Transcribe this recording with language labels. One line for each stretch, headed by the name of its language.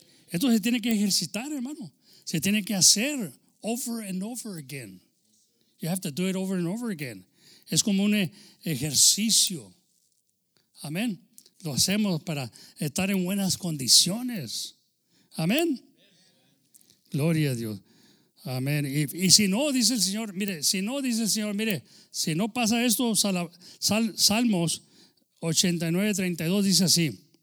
Spanish: Esto se tiene que ejercitar, hermano. Se tiene que hacer
English: over and over again. You have to do it over and over again.
Spanish: Es como un ejercicio. Amén. Lo hacemos para estar en buenas condiciones. Amén. Gloria a Dios. Amén. Y si no, dice el Señor, mire, si no, dice el Señor, mire, si no pasa esto, Salmos 89:32 dice así.